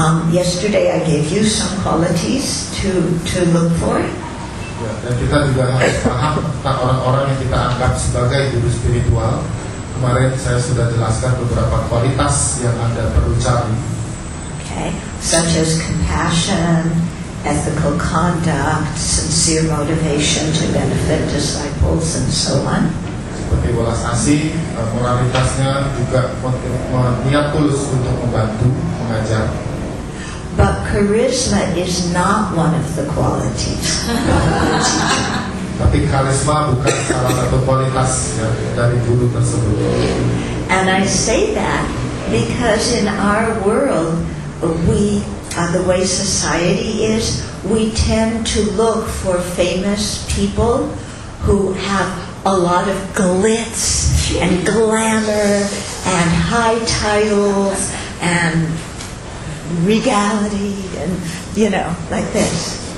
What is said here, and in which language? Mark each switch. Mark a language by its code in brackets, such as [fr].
[en] Yesterday I gave you some qualities to look for. [id] Dan kita juga harus paham tentang orang-orang yang kita anggap sebagai guru spiritual. Kemarin saya sudah jelaskan beberapa kualitas yang Anda perlu cari. [en] Okay, such as compassion, ethical conduct, sincere motivation to benefit disciples, and so on. [id] Seperti welas asih, moralitasnya juga niat tulus untuk membantu, mengajar. [en] But charisma is not one of the qualities. [id] Tapi karisma bukan salah satu kualitas dari guru tersebut. [en] And I say that Because in our world, we, the way society is, we tend to look for famous people who have a lot of glitz and glamour and high titles and regality and, you know, like this.